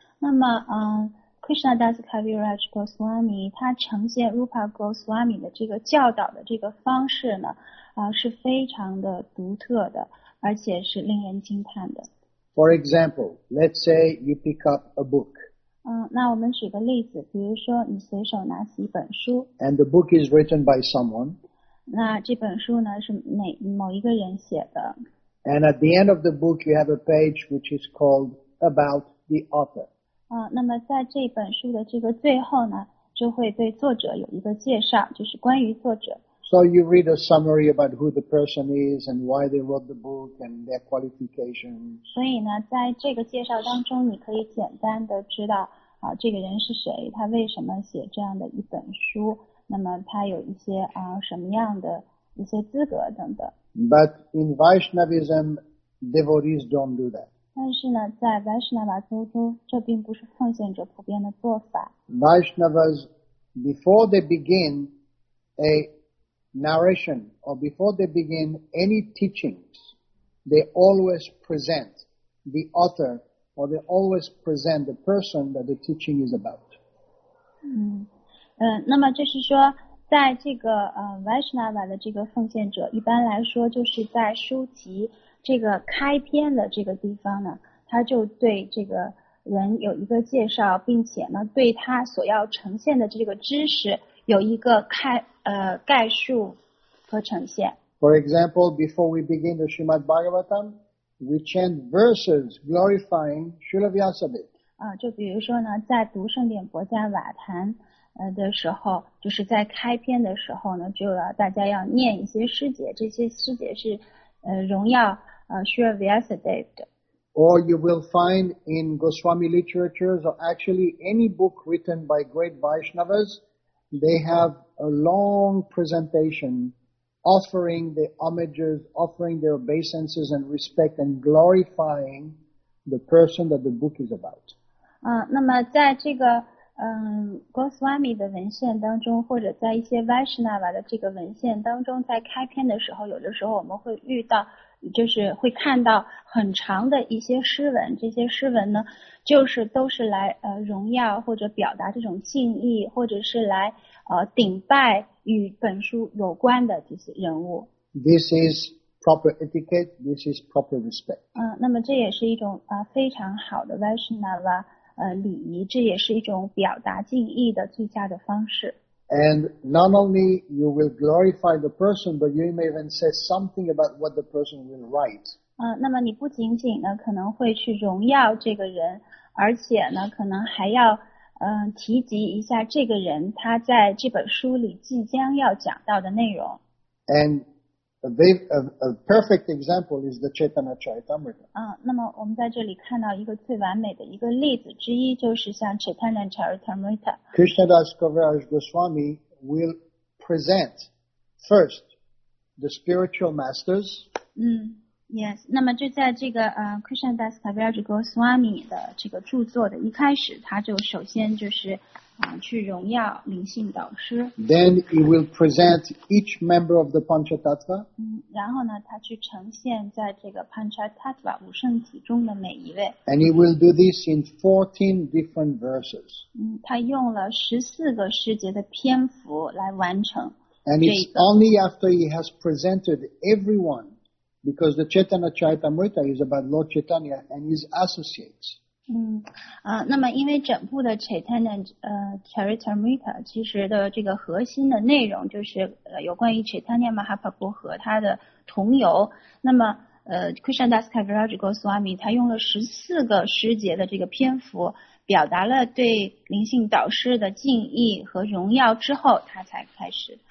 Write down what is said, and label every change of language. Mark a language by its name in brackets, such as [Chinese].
[Chinese] 那么，Krishna Das Kaviraj Goswami 他呈现 Rupa Goswami 的这个教导的这个方式呢，是非常的独特的，而且是令人惊叹的。 [English] For example, let's say you pick up a book. [Chinese] 那我们举个例子，比如说你随手拿起一本书。 [English] And the book is written by someone. [Chinese] 那这本书呢是某一个人写的。 [English] And at the end of the book, you have a page which is called about the author. [Chinese] 那么在这本书的这个最后呢，就会对作者有一个介绍，就是关于作者。 [English] So you read a summary about who the person is and why they wrote the book and their qualifications. [Chinese] 所以呢，在这个介绍当中，你可以简单的知道啊，这个人是谁，他为什么写这样的一本书，那么他有一些啊什么样的一些资格等等。 [English] But in Vaishnavism, devotees don't do that. [Chinese] 但是呢，在 Vaishnava 当中，这并不是奉献者普遍的做法。 [English] Vaishnavas, before they begin a narration or before they begin any teachings, they always present the author or they always present the person that the teaching is about. [Chinese] 那么就是说，在这个Vaishnava 的这个奉献者，一般来说就是在书籍这个开篇的这个地方呢，他就对这个人有一个介绍，并且呢，对他所要呈现的这个知识有一个概述和呈现。 [English] For example, before we begin the Srimad Bhagavatam, we chant verses glorifying Srila Vyasadeva. [Chinese] 就比如说呢，在读圣典博迦瓦坛的时候，就是在开篇的时候呢，就要大家要念一些诗节，这些诗节是荣耀Srila Vyasadeva 的。 [English] Or you will find in Goswami literatures, or actually any book written by great Vaishnavas, they have a long presentation offering the homages, offering their obeisances and respect and glorifying the person that the book is about. [Chinese] 那么在这个Goswami 的文献当中，或者在一些 Vaishnava 的这个文献当中，在开篇的时候，有的时候我们会遇到，就是会看到很长的一些诗文，这些诗文呢，就是都是来荣耀或者表达这种敬意，或者是来顶拜与本书有关的这些人物。 [English] This is proper etiquette. This is proper respect. [Chinese] 那么这也是一种非常好的 Vaishnava 礼仪，这也是一种表达敬意的最佳的方式。 [English] And not only you will glorify the person, but you may even say something about what the person will write. [Chinese] 那么你不仅仅呢可能会去荣耀这个人，而且呢可能还要提及一下这个人他在这本书里即将要讲到的内容。 [English] And a perfect example is the Chaitanya Charitamrita. [Chinese] 那么我们在这里看到一个最完美的一个例子之一，就是像 Chaitanya Charitamrita. [English] Krishna Das Kaviraj Goswami will present first the spiritual masters. Yes. [Chinese] 那么就在这个Krishna Das Kaviraj Goswami 的这个著作的一开始，他就首先就是去荣耀灵性导师。 [English] Then he will present each member of the Panchatattva. [Chinese] 然后呢，他去呈现在这个 Panchatattva 五圣体中的每一位。 [English] And he will do this in 14 different verses. [Chinese] 他用了14个诗节的篇幅来完成。 [English] And it's only after he has presented everyone, because the Chaitanya Charitamrita is about Lord Chaitanya and his associates. [Chinese] 那么因为整部的 Chaitanya Charitamrita 其实的这个核心的内容就是有关于 Chaitanya Mahaprabhu 和他的同游，那么Krishna Das Kaviraj Goswami 他用了14个诗节的这个篇幅表达了对灵性导师的敬意和荣耀之后，他才开始。